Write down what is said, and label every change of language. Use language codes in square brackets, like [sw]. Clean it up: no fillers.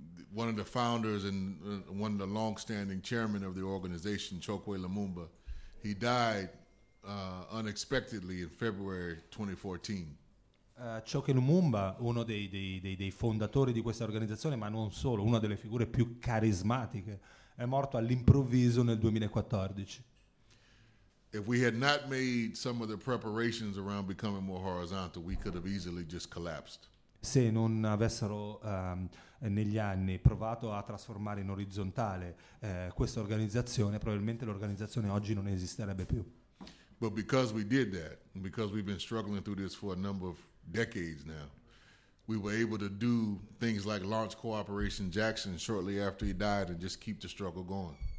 [en] One of the founders and one of the long-standing chairmen of the organization, Chokwe Lumumba, he died unexpectedly in February 2014. [it] Chokwe Lumumba, uno dei fondatori di questa organizzazione, ma non solo, una delle figure più carismatiche, è morto all'improvviso nel 2014. [en] If we had not made some of the preparations around becoming more horizontal, we could have easily just collapsed. [it] Se non avessero negli anni provato a trasformare in orizzontale questa organizzazione, probabilmente l'organizzazione oggi non esisterebbe più. [en] But because we did that, because we've been struggling through this for a number of decades now, we were able to do things like launch Cooperation Jackson shortly after he died and just keep the struggle going.